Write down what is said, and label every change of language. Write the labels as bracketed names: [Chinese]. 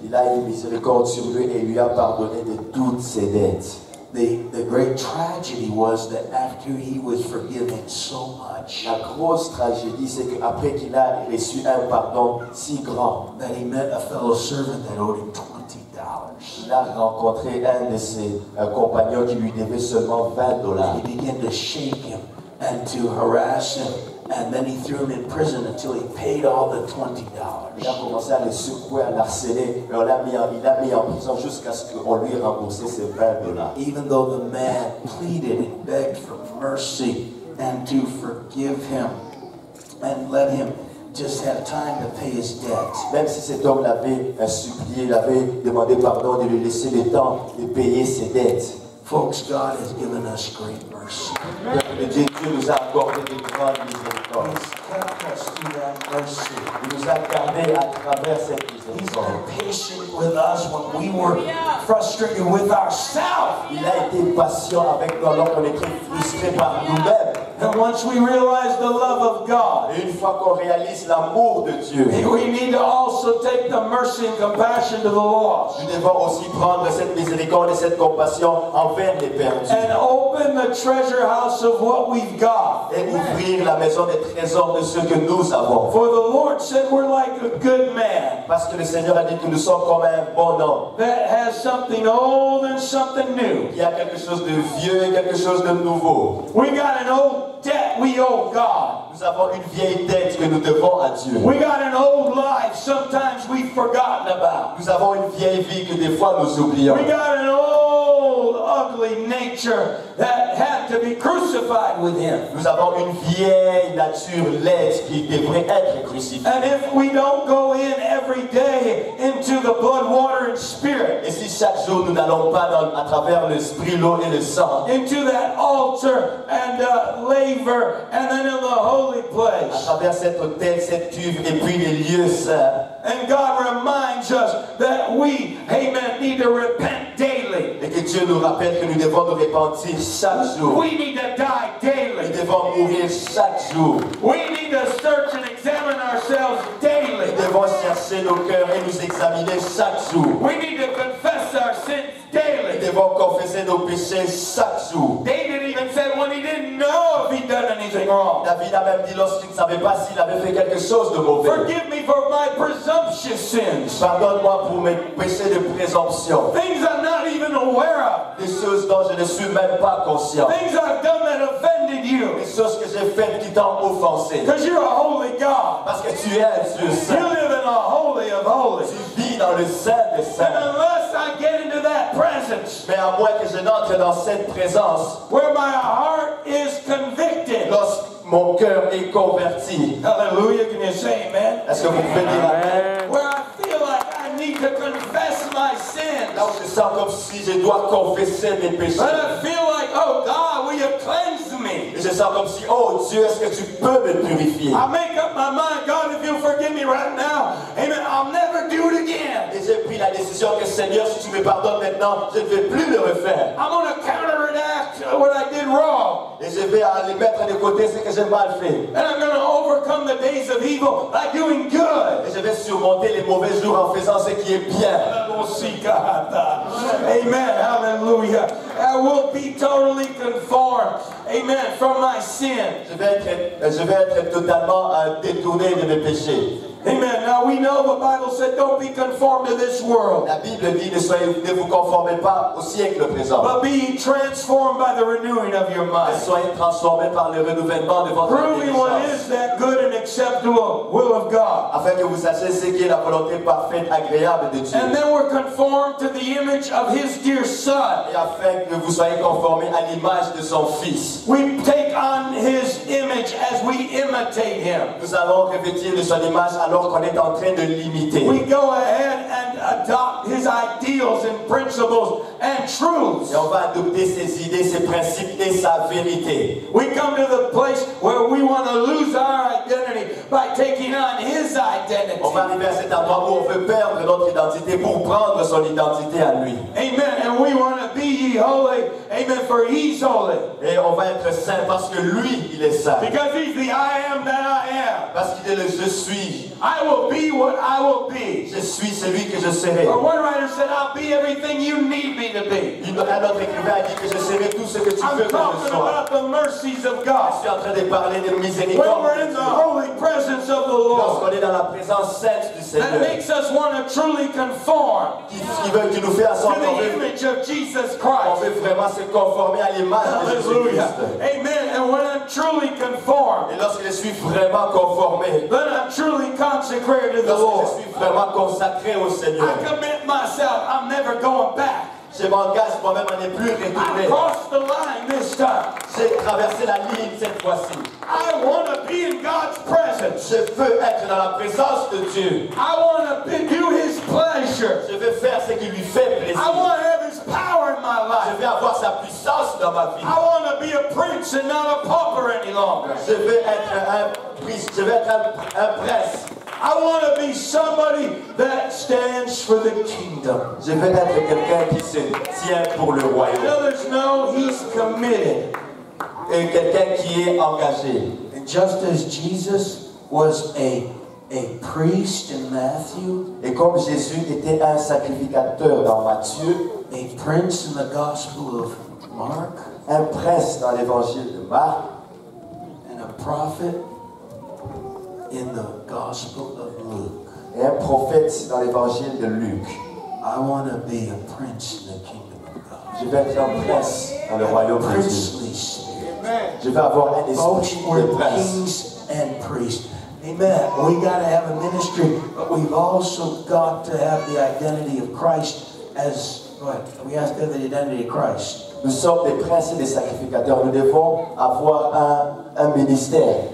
[French] Il a eu miséricorde sur lui et lui a pardonné de toutes ses dettes. [English] The great tragedy was that after he was forgiven so much, [French] la grosse tragédie c'est qu'après qu'il a reçu un pardon si grand, [English] that he met a fellow servant that owed him $20. [French] Il a rencontré un de ses compagnons qui lui devait seulement $20. [English] He began to shake him and to harass him. And then he threw him in prison until he paid all the $20. [French] Il a commencé à le secouer, à l'harceler, et il l'a mis en prison jusqu'à ce qu'on lui rembourse ses $20. [English] Even though the man pleaded and begged for mercy and to forgive him and let him just have time to pay his debt. [French] Même si cet homme l'avait supplié, l'avait demandé pardon, de lui laisser le temps de payer ses dettes. [English] Folks, God has given us great mercy. [French] Dieu nous a accordé de grandes miséricordes. [English] He's kept us through that mercy. [French] Il nous a gardé à travers cette miséricorde. [English] He's been patient with us when we were frustrated with ourselves. [French] Il a été patient avec nous alors qu'on était frustré par nous-mêmes. [English] And once we realize the love of God, [French] une fois qu'on réalise l'amour de Dieu, [English] we need to also take the mercy and compassion to the lost. [French] Nous devons aussi prendre cette miséricorde et cette compassion envers les perdus. [English] And open the treasure house of what we've got. [French] Et ouvrir la maison des trésors de ce que nous avons. [English] For the Lord said we're like a good man. [French] Parce que le Seigneur a dit que nous sommes comme un bon homme. [English] That has something old and something new. [French] Il y a quelque chose de vieux et quelque chose de nouveau. [English] We got an old debt we owe God. [French] Nous avons une vieille dette que nous devons à Dieu. [English] We got an old life sometimes we've forgotten about. [French] Nous avons une vieille vie que des fois nous oublions. [English] We got an old ugly nature that had to be crucified with him. [French] Nous avons une vieille nature laide qui devrait être crucifiée. [English] And if we don't go in every day into the blood, water and spirit, [French] et si chaque jour nous n'allons pas dans, à travers l'esprit, l'eau et le sang, [English] into that altar and laver and then in the holy place, [French] à travers cet autel, cette cuve et puis les lieux saints, [English] and God reminds us that we, amen, need to repent daily. [French] Et que Dieu nous rappelle que nous devons nous repentir chaque jour. [English] We need to die daily. [French] Nous devons mourir chaque jour. [English] We need to search and examine ourselves daily. [French] Nous devons chercher nos cœurs et nous examiner chaque jour. [English] We need to confess our sins daily. [French] Nous devons confesser nos péchés chaque jour. [English] David even said when he didn't know if he'd done anything wrong. [French] David a même dit lorsqu'il ne savait pas s'il avait fait quelque chose de mauvais. [English] Forgive me for my presumptuous sins. [French] Pardonne-moi pour mes péchés de présomption. [English] Things I'm not even aware of. [French] Des choses dont je ne suis même pas conscient. [English] Things I've done that offended you. [French] Des choses que j'ai faites qui t'ont offensé. [English] Because you're a holy God. [French] Parce que tu es Dieu saint. [English] You live in a holy of holies. [French] Tu vis dans le saint des saints. [English] And unless I get into that presence. [French] Mais à moins que je n'entre dans cette présence. [English] Where my heart is convicted. [French] Lorsque mon cœur est converti. [English] Hallelujah, can you say amen? [French] Est-ce que vous pouvez dire amen? [English] Where I feel like I need to confess my sins. [French] Là où je sens comme si je dois confesser mes péchés. [English] But I feel like, oh God, will you cleanse me? [French] Et je sens comme si, oh Dieu, est-ce que tu peux me purifier? [English] I make up my mind, God, if you'll forgive me right now, amen, I'll never do it again. [French] Et j'ai pris la décision que Seigneur, si tu me pardonnes maintenant, je ne vais plus le refaire. [English] I'm going to counteract what I did wrong. [French] Et je vais aller mettre de côté ce que j'ai mal fait. [English] And I'm going to overcome the days of evil by doing good. [French] Et je vais surmonter les mauvais jours en faisant ce qui est bien. [English] Amen. Hallelujah. I will be totally conformed. Amen. From my sin. [French] Je vais être totalement détourné de mes péchés. [English] Amen. Now we know the Bible said, "Don't be conformed to this world." [French] La Bible dit ne vous conformez pas au siècle présent. [English] But be transformed by the renewing of your mind. [French] Soyez transformé par le renouvellement de votre [English] Proving what is that good and acceptable will of God. [French] Afin que vous sachiez ce qui est la volonté parfaite, agréable de Dieu. [English] And then we're conformed to the image of His dear Son. [French] Et afin que vous soyez conformé à l'image de son Fils. [English] We take on His image as we imitate Him. [French] Nous allons revêtir de son image. Alors qu'on est en train de l'imiter. [English] We go ahead and adopt his ideals and principles and truths. [French] Et on va adopter ses idées, ses principes et sa vérité. [English] We come to the place where we want to lose our identity by taking on his identity. [French] On va arriver à cet endroit où on veut perdre notre identité pour prendre son identité à lui. [English] Amen. And we want to be ye holy. Amen. For he's holy. [French] Et on va être saint parce que lui, il est saint. [English] Because he's the I am that I am. [French] Parce qu'il est le je suis. [English] I will be what I will be. [French] Je suis celui que je serai. [English] Or one writer said, "I'll be everything you need me to be." [French] Un autre écrivain a dit que je serai tout ce que tu [English] I'm [French] veux que je sois. [English] I'm talking about the mercies of God. [French] Je suis en train de parler de miséricorde. [English] When we're in the holy presence of the Lord. [French] Lorsqu'on est dans la présence sainte du Seigneur. [English] That makes us want to truly conform. [French] Qui veut que nous fassions [English] conformer. To the image of Jesus Christ. [French] On veut vraiment se conformer à l'image de Jésus-Christ. [English] Amen. And when I'm truly conformed. [French] Et lorsque je suis vraiment conformé. [English] Then I'm truly consecrated to the Lord. [French] Je suis vraiment consacré au Seigneur. [English] I commit myself. I'm never going back. [French] Je m'engage moi-même à ne plus retourner. [English] I crossed the line this time. [French] J'ai traversé la ligne cette fois-ci. [English] I want to be in God's presence. [French] Je veux être dans la présence de Dieu. [English] I want to do His pleasure. [French] Je veux faire ce qui lui fait plaisir. [English] I want to have His power in my life. [French] Je veux avoir sa puissance dans ma vie. [English] I want to be a prince and not a pauper any longer. [French] Je veux être un prince. Je veux être un prince. [English] I want to be somebody that stands for the kingdom. [French] Je veux être quelqu'un qui se tient pour le royaume. [English] And others know he's committed. [French] Et quelqu'un qui est engagé. [English] And just as Jesus was a priest in Matthew. [French] Et comme Jésus était un sacrificateur dans Matthieu. [English] A prince in the Gospel of Mark. [French] Un prince dans l'évangile de Marc. [English] And a prophet. In the Gospel of Luke. [French] Et un prophète dans l'évangile de Luc. [English] I want to be a prince in the kingdom of God. [French] Je veux être un prince dans le royaume de Dieu. [English] Amen. [French] Je veux avoir un esprit de prince. [English] Both for kings and priests. Amen. We got to have a ministry, but we've also got to have the identity of Christ as what? We have to have the identity of Christ. [French] Nous sommes des princes et des sacrificateurs. Nous devons avoir un ministère.